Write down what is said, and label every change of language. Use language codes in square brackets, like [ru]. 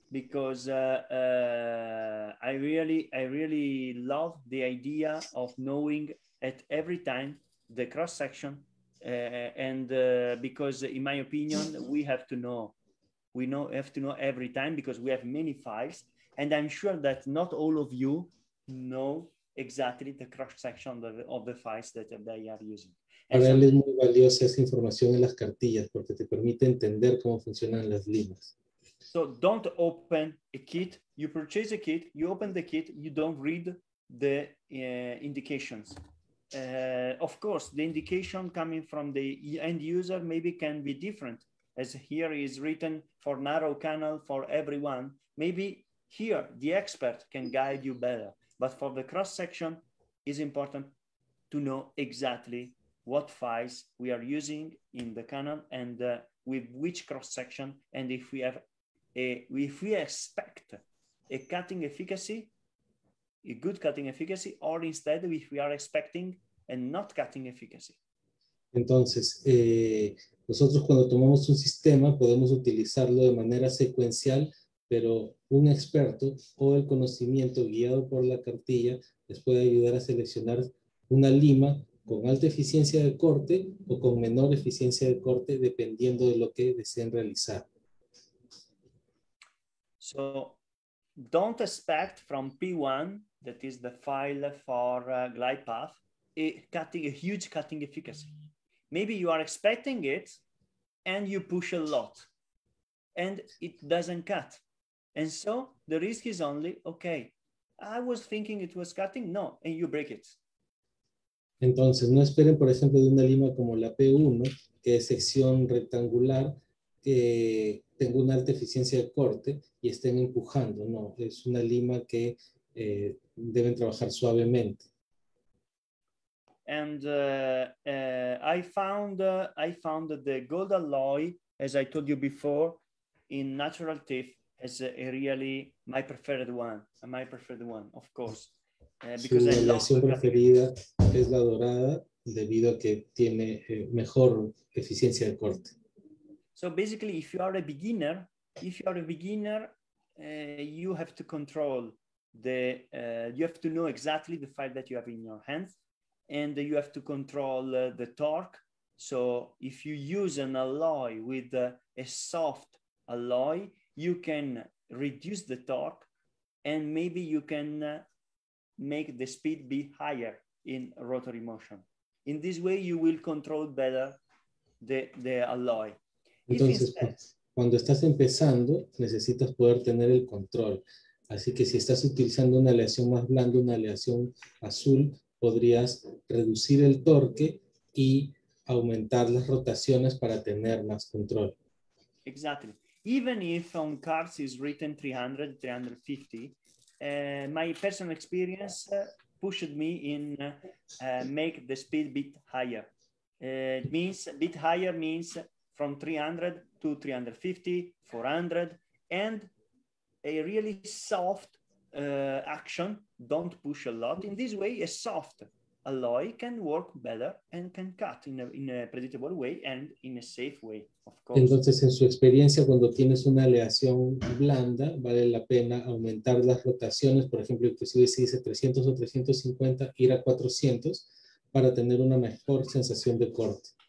[en] because I really love the idea of knowing at every time the cross section, and because in my opinion we have to know every time, because we have many files, and I'm sure that not all of you know exactly the cross section of the files that they are using. [es] Para él es muy valiosa esa información en las cartillas porque te permite entender cómo funcionan las limas. [en] So don't open a kit. You purchase a kit. You open the kit. You don't read the indications. Of course, the indication coming from the end user maybe can be different, as here is written for narrow canal for everyone. Maybe here the expert can guide you better. But for the cross section, it's important to know exactly what files we are using in the canal and with which cross section, and if we have if we expect a cutting efficacy, a good cutting efficacy, or instead if we are expecting a not cutting efficacy. [es] Entonces, nosotros cuando tomamos un sistema podemos utilizarlo de manera secuencial, pero un experto o el conocimiento guiado por la cartilla les puede ayudar a seleccionar una lima con alta eficiencia de corte o con menor eficiencia de corte, dependiendo de lo que deseen realizar. [en] So, don't expect from P1, that is the file for glide path, a huge cutting efficacy. Maybe you are expecting it and you push a lot and it doesn't cut. And so the risk is only, okay, I was thinking it was cutting, no, and you break it. [es] Entonces, no esperen, por ejemplo, de una lima como la P1, que es sección rectangular, que tenga una alta eficiencia de corte y estén empujando. No, es una lima que deben trabajar suavemente. [en] And I found the gold alloy, as I told you before, in natural teeth, as really my preferred one. My preferred one, of course. Because [es] su aleación preferida es la dorada debido a que tiene mejor eficiencia de corte. [en] So basically, if you are a beginner, you have to control the, you have to know exactly the file that you have in your hands, and you have to control the torque. So if you use an alloy with a soft alloy, you can reduce the torque, and maybe you can make the speed be higher in rotary motion. In this way, you will control better the alloy. [es] Entonces, cuando estás empezando, necesitas poder tener el control. Así que si estás utilizando una aleación más blanda, una aleación azul, podrías reducir el torque y aumentar las rotaciones para tener más control. [en] Exactly. Even if on cards is written 300, 350, my personal experience pushed me in make the speed bit higher. It means from 300 to 350, 400, and a really soft action. Don't push a lot. In this way, a soft alloy can work better and can cut in a predictable way and in a safe way, of course. [es] Entonces, en su experiencia, cuando tienes una aleación blanda, vale la pena aumentar las rotaciones. Por ejemplo, inclusive si dice 300 o 350, ir a 400 para tener una mejor sensación de corte.